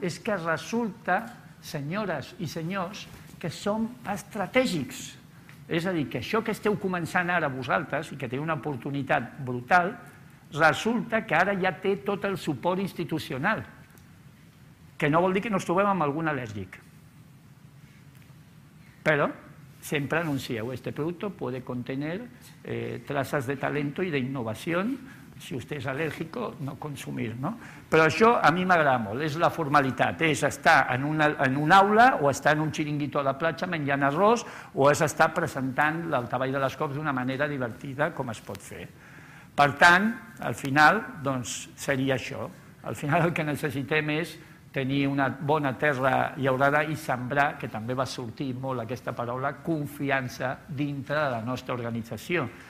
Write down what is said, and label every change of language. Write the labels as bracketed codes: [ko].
[ca] És que resulta, senyores i senyors, que som estratègics. És a dir, que això que esteu començant ara vosaltres i que té una oportunitat brutal, resulta que ara ja té tot el suport institucional. Que no vol dir que no ens trobem amb algun al·lèrgic. Però sempre anuncieu, [es] este producto puede contener traces de talento y de innovación, si usted es alérgico, no consumir, ¿no? [ca] Però això a mi m'agrada molt, és la formalitat, és estar en un aula o estar en un xiringuito a la platja menjant arròs o és estar presentant el treball de les cops d'una manera divertida com es pot fer. Per tant, al final, doncs, seria això. Al final el que necessitem és tenir una bona terra llaurada i sembrar, que també va sortir molt aquesta paraula, confiança dintre de la nostra organització.